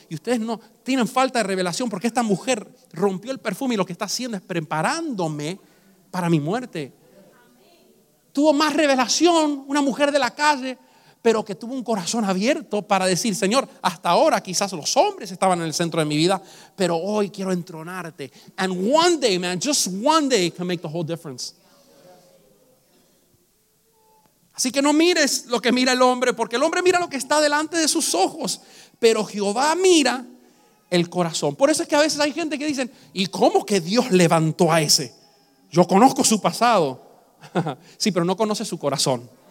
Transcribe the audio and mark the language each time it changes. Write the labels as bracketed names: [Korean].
[Spanish] Y ustedes no tienen falta de revelación, porque esta mujer rompió el perfume y lo que está haciendo es preparándome para mi muerte. Tuvo más revelación una mujer de la calle, pero que tuvo un corazón abierto para decir: Señor, hasta ahora quizás los hombres estaban en el centro de mi vida, pero hoy quiero entronarte. [English] And one day, man, just one day can make the whole difference. [Spanish] Así que no mires lo que mira el hombre, porque el hombre mira lo que está delante de sus ojos, pero Jehová mira el corazón. Por eso es que a veces hay gente que dicen: ¿y cómo que Dios levantó a ese? Yo conozco su pasado. Sí, pero no conoce su corazón.